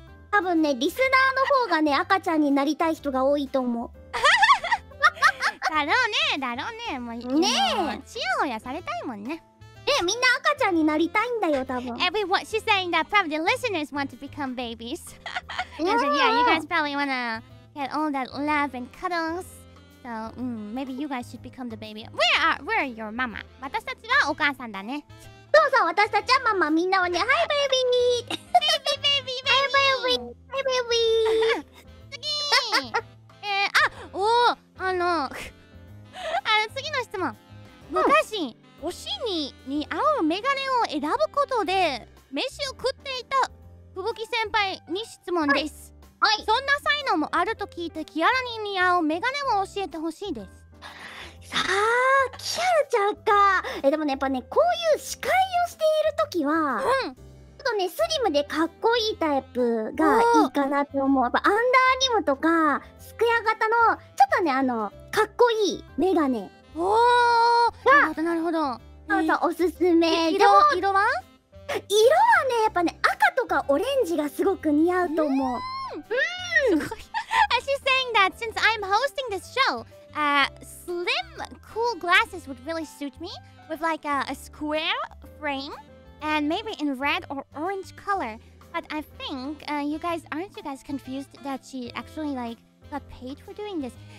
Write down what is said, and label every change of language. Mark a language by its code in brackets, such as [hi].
[ja] 多分ね、リスナーの方がね、赤ちゃんになりたい人が多いと思う。だろうね、だろうね。もうねえ、チヤホヤされたいもんね。え、みんな赤ちゃんになりたいんだよ、多分。 [en] Everyone, she's saying that probably the listeners want to become babies. And then, yeah, you guys probably wanna get all that love and cuddles. So, maybe you guys should become the baby. Where are your mama? [ja] 私たちはお母さんだね。そうそう、私たちはママ。みんなはね、 [en] Hi, baby! baby, baby, baby! Hi, baby! Hi, baby! [ja] 次あ、おー、次の質問。昔、おしに似合うメガネを選ぶことで飯を食っていたふぶき先輩に質問です。はい、はい、そんな才能もあると聞いて、キアラに似合うメガネを教えてほしいです。さあ、キアラちゃんか。でもね、やっぱね、こういう司会をしているときは、ちょっとね、スリムでかっこいいタイプがいいかなって思う。やっぱアンダーアニムとかスクエア型のちょっとね、かっこいいメガネ。おー、なるほどなるほど。そうそう、おすすめ。色はね、やっぱね、赤とかオレンジがすごく似合うと思う。 [en] She's saying that since I'm hosting this show, slim cool glasses would really suit me with like a square frame and maybe in red or orange color. But I think、you guys, aren't you guys confused that she actually like got paid for doing this?